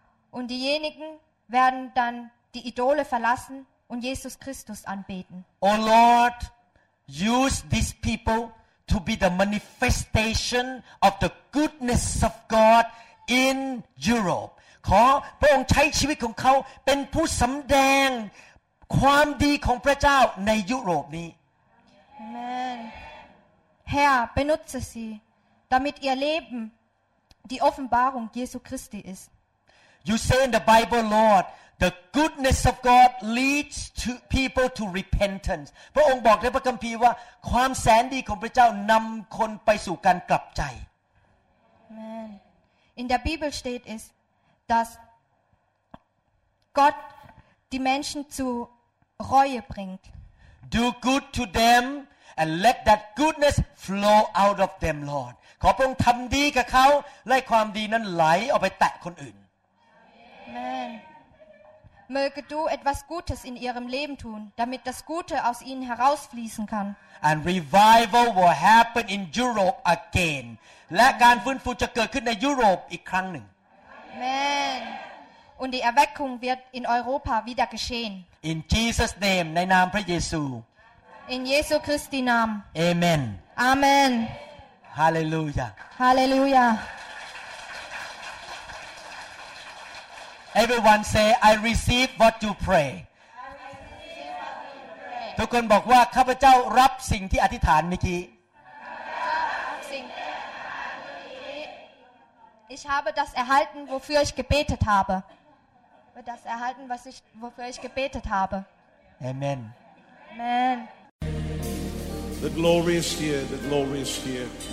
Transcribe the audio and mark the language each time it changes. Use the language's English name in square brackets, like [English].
[German] Und diejenigen werden dann die Idole verlassen und Jesus Christus anbeten. [English] Oh Lord, use these people. To be the manifestation of the goodness of God in Europe. [Thai] ขอพระองค์ใช้ชีวิตของเขาเป็นผู้สำแดงความดีของพระเจ้าในยุโรปนี้ [English] Amen. [German] Herr, benutze sie, damit ihr Leben die Offenbarung Jesu Christi ist. [English] You say in the Bible, Lord, the goodness of God leads to people to repentance. [Thai] พระองค์บอกในพระคัมภีร์ว่าความแสนดีของพระเจ้านำคนไปสู่การกลับใจ [English] Amen. [German] In der Bibel steht es, dass Gott die Menschen zu Reue bringt. [English] Do good to them and let that goodness flow out of them, Lord. [Thai] ขอพระองค์ทำดีกับเขาและความดีนั้นไหลออกไปแตะคนอื่น [English] Amen. [German] Möge du etwas Gutes in ihrem Leben tun, damit das Gute aus ihnen herausfließen kann. [English] And revival will happen in Europe again. [Thai] และการฟื้นฟูจะเกิดขึ้นในยุโรปอีกครั้งหนึ่ง [English] Amen. [German] Und die Erweckung wird in Europa wieder geschehen. [English] In Jesus' name, [Thai] ในนามพระเยซู [German] In Jesu Christi Namen. [English] Amen. Amen. Hallelujah. Hallelujah. Everyone say, I receive what you pray. [Thai] ทุกคนบอกว่าข้าพเจ้ารับสิ่งที่อธิษฐานเมื่อกี้ ข้าพเจ้ารับสิ่งที่ [German] Ich habe das erhalten, wofür ich gebetet habe. Das erhalten, was ich, wofür ich gebetet habe. [English] Amen. Amen. The glory is here, the glory is here.